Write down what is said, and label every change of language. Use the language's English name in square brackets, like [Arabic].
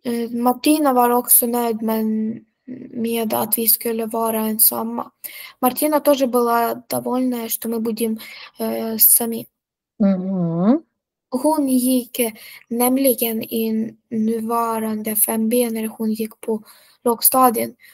[Swedish] Martina var också nöjd med att vi skulle vara ensamma. [Russian] Martina тоже была довольна, что мы будем сами. [Swedish] Hon gick nämligen i nuvarande 5B när hon gick på lågstadien.